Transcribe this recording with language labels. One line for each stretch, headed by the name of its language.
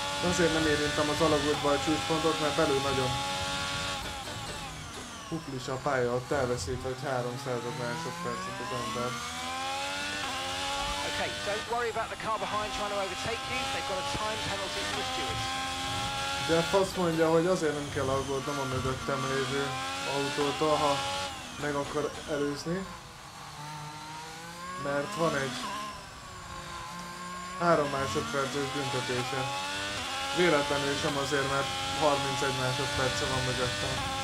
Hungarian: Azért nem érintem az alagútba a csúcspontot, mert belül nagyon puklis a pálya, ott elveszít, hogy 300 másodpercet az ember.
English: Okay, don't worry about the car behind trying to overtake you, they've got a time penalty for the stewards.
Hungarian: Jeff azt mondja, hogy azért nem kell aggódnom a mögöttem lévő autótól, ha meg akar előzni, mert van egy 3 másodperces büntetése. Véletlenül sem azért, mert 31 másodperce van mögöttem.